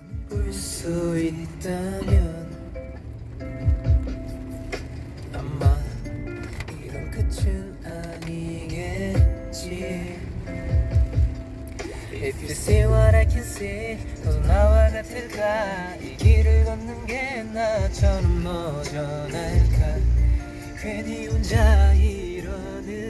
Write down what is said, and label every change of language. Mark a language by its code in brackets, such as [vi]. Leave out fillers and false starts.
[ko] 울 수 있다면 아마 이런 끝은 아니겠지. [en] If you see what I can see, [ko] 너도 나와 같을까. 이 길을 걷는 게 나처럼 어전할까. 괜히 혼자 이러는지.